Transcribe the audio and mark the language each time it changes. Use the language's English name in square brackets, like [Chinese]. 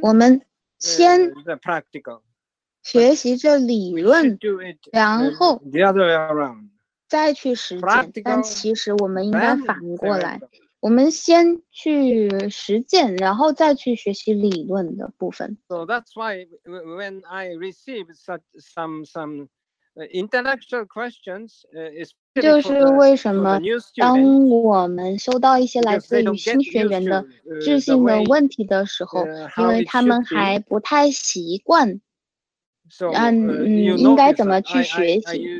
[Chinese] 我们先 [English] the practical. [Chinese] 学习这理论，然后再去实践。但其实我们应该反过来，我们先去实践，然后再去学习理论的部分。 [English] So that's why when I received some intellectual questions, is [Chinese] 就是为什么当我们收到一些来自于新学员的质性的问题的时候，因为他们还不太习惯，应该怎么去学习？